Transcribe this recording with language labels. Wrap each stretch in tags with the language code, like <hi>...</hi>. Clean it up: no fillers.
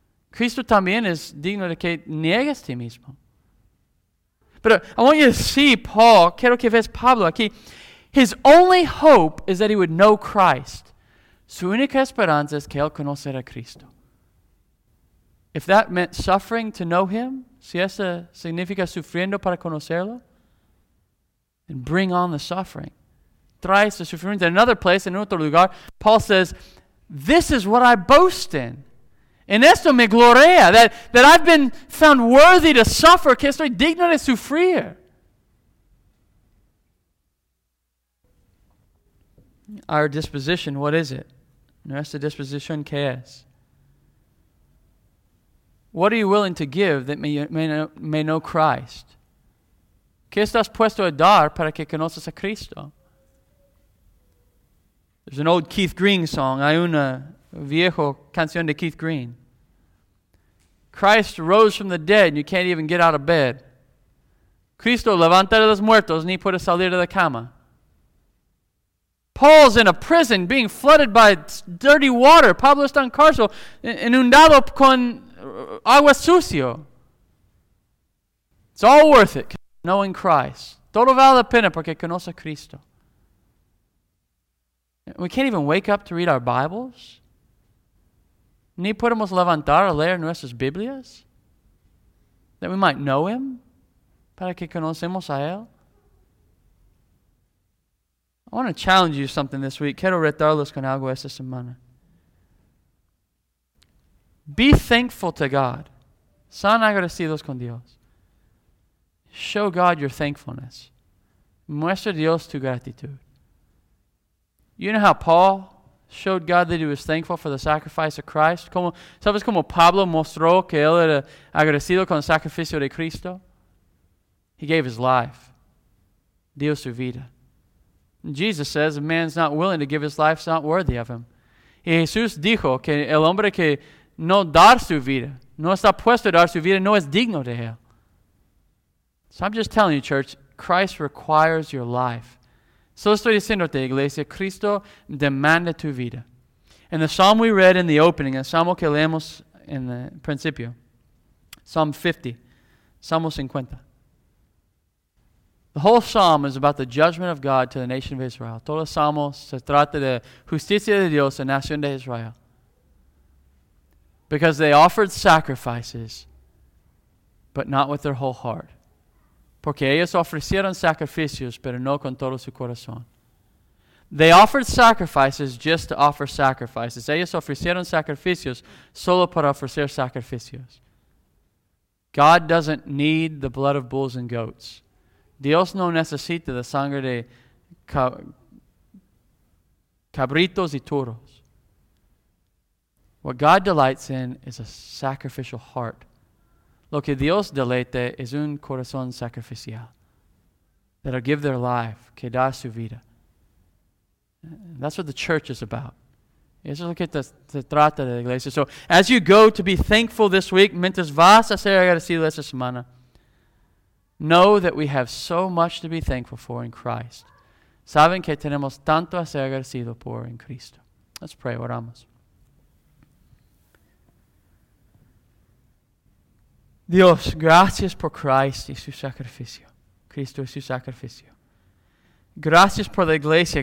<es>Cristo también es digno de que niegues ti mismo.</es> <en>But I want you to see Paul.</en> <es>Quiero que veas Pablo aquí.</es> <en>His only hope is that he would know Christ.</en> <es>Su única esperanza es que él conocerá Cristo.</es> <en>If that meant suffering to know him,</en> <es>si eso significa sufriendo para conocerlo,</es> <en>then bring on the suffering.</en> <es>Trae ese sufrimiento.</es> <en>In another place,</en> <es>en otro lugar,</es> <en>Paul says, this is what I boast in.</en> <es>En esto me gloria,</es> <en>that I've been found worthy to suffer,</en> <es>que estoy digno de sufrir.</es> <en>Our disposition, what is it?</en> <es>Nuestra disposición, ¿qué es?</es> <en>What are you willing to give that may know Christ?</en> <es>¿Qué estás puesto a dar para que conozcas a Cristo?</es> <en>There's an old Keith Green song.</en> <es>Hay una viejo canción de Keith Green.</es> <en>Christ rose from the dead, and you can't even get out of bed.</en> <es>Cristo levanta de los muertos, ni puede salir de la cama.</es> <en>Paul's in a prison, being flooded by dirty water.</en> <es>Pablo está en cárcel, inundado con agua sucio.</es> <en>It's all worth it, knowing Christ.</en> <es>Todo vale la pena porque conoce a Cristo.</es> <en>We can't even wake up to read our Bibles.</en> <es>Ni podemos levantar a leer nuestras Biblias,</es> <en>that we might know him,</en> <es>para que conocemos a él.</es> <en>I want to challenge you something this week.</en> <es>Quiero retarlos con algo esta semana.</es> <en>Be thankful to God.</en> <es>Sean agradecidos con Dios.</es> <en>Show God your thankfulness.</en> <es>Muestra Dios tu gratitud.</es> <en>You know how Paul showed God that he was thankful for the sacrifice of Christ.</en> <es>¿Sabes cómo Pablo mostró que él era agradecido con el sacrificio de Cristo?</es> <en>He gave his life.</en> <es>Dio su vida.</es> <en>Jesus says, a man's not willing to give his life, it's not worthy of him.</en> <es>Y Jesús dijo que el hombre que no da su vida, no está puesto a dar su vida, no es digno de él.</es> <en>So I'm just telling you, church, Christ requires your life.</en> <es>Solo estoy diciéndote, iglesia, Cristo demanda tu vida.</es> <en>And the psalm we read in the opening,</en> <es>el salmo que leemos en el principio,</es> <en>Psalm 50,</en> <es>Salmo 50.</es> <en>The whole psalm is about the judgment of God to the nation of Israel.</en> <es>Todo el salmo se trata de justicia de Dios a la nación de Israel.</es> <en>Because they offered sacrifices, but not with their whole heart.</en> <es>Porque ellos ofrecieron sacrificios, pero no con todo su corazón.</es> <en>They offered sacrifices just to offer sacrifices.</en> <es>Ellos ofrecieron sacrificios solo para ofrecer sacrificios.</es> <en>God doesn't need the blood of bulls and goats.</en> <es>Dios no necesita la sangre de cabritos y toros.</es> <en>What God delights in is a sacrificial heart.</en> <es>Lo que Dios deleite es un corazón sacrificial.</es> <en>That'll give their life,</en> <es>que da su vida.</es> <en>That's what the church is about.</en> <es>Eso es lo que se trata de la iglesia.</es> <en>So, as you go to be thankful this week,</en> <es>mientras vas a ser agradecido esta semana,</es> <en>know that we have so much to be thankful for in Christ.</en> <es>Saben que tenemos tanto a ser agradecido por en Cristo.</es> <en>Let's pray,</en> <es>oramos. Dios, gracias por Cristo y su sacrificio. Cristo y su sacrificio. Gracias por la iglesia.</es>